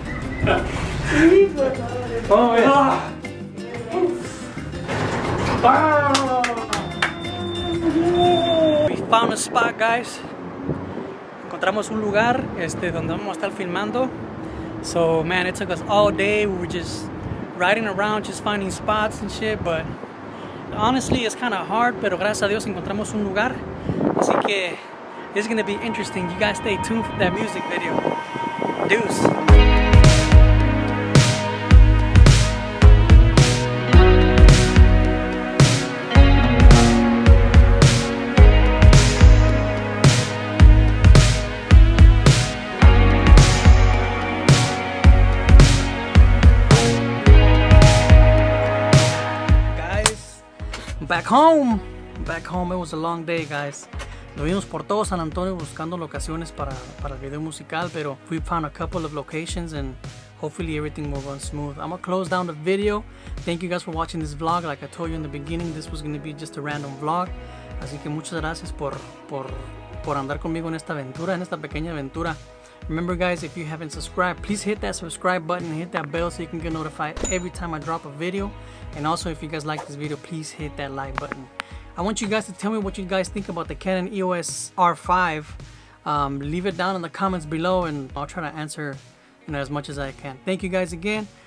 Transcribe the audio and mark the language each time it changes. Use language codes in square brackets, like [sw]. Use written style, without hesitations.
[es] Vamos a ver. [en] We found a spot, guys. [es] Encontramos un lugar donde vamos a estar filmando. [en] So, man, it took us all day. We were just riding around, just finding spots and shit. But honestly, it's kind of hard. [es] Pero gracias a Dios encontramos un lugar. Así que, [en] this is gonna be interesting. You guys stay tuned for that music video. Deuce. Back home, it was a long day, guys. [es] Nos vimos por todo San Antonio buscando locaciones para el video musical, [en] pero we found a couple of locations and hopefully everything will run smooth. I'm gonna close down the video. Thank you guys for watching this vlog. Like I told you in the beginning, this was gonna be just a random vlog. [es] Así que muchas gracias por andar conmigo en esta aventura, en esta pequeña aventura. [en] Remember, guys, if you haven't subscribed, please hit that subscribe button, hit that bell so you can get notified every time I drop a video. And also, if you guys like this video, please hit that like button. I want you guys to tell me what you guys think about the Canon EOS R5. Leave it down in the comments below and I'll try to answer, you know, as much as I can. Thank you guys again.